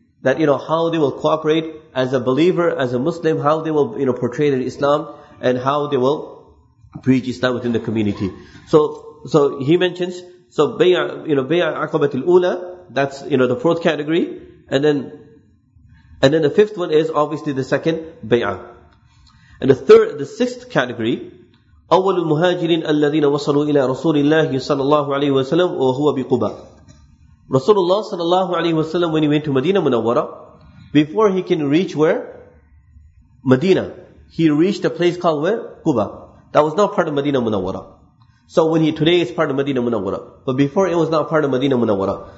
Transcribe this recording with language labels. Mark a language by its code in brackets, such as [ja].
[en] That, you know, how they will cooperate as a believer, as a Muslim, how they will, you know, portray their Islam, and how they will preach Islam within the community. So he mentions, so Bay'at Aqabat al-Ula, that's, you know, the fourth category, and then the fifth one is obviously the second Bay'ah. And the sixth category, [ar] أول المهاجرين الذين وصلوا إلى رسول الله صلى الله عليه وسلم وهو بقبا. [en] Rasulullah sallallahu alaihi wasallam, when he went to Medina Munawwara, before he can reach where? Medina. He reached a place called where? Quba. That was not part of Medina Munawwara. So when today it's part of Medina Munawwara. But before it was not part of Medina Munawwara.